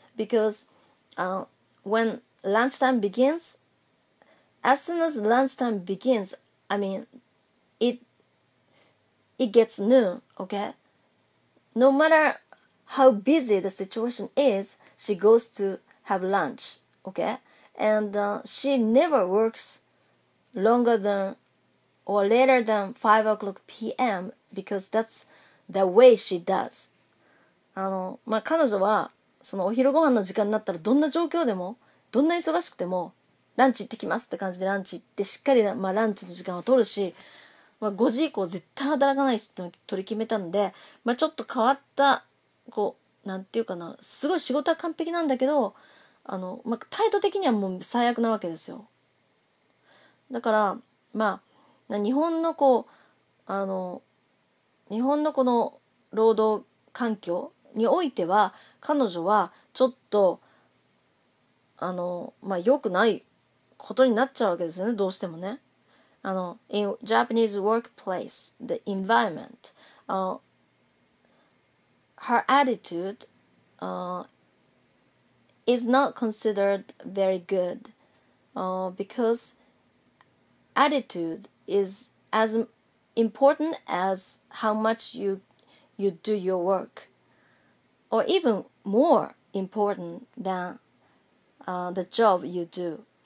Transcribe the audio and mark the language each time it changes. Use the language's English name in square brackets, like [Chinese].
[English] Because when lunchtime begins, as soon as lunchtime begins, I mean, it gets noon, okay? No matter how busy the situation is, she goes to have lunch, okay? And she never works longer than or later than 5 o'clock p.m. because that's the way she does. [Japanese] まあ、彼女はそのお昼ご飯の時間になったらどんな状況でもどんな忙しくてもランチ行ってきますって感じでランチ行ってしっかり、まあ、ランチの時間を取るし、まあ、5時以降絶対働かないしって取り決めたんで、まあ、ちょっと変わったこうなんていうかな、すごい仕事は完璧なんだけど、まあ、態度的にはもう最悪なわけですよ。だから、まあ、日本のこう日本のこの労働環境においては彼女はちょっとまあ、良くないことになっちゃうわけですよね、どうしてもね。 [English] In Japanese workplace, the environment, her attitude, is not considered very good, because attitude is as important as how much you do your work, or even more important than the job you do.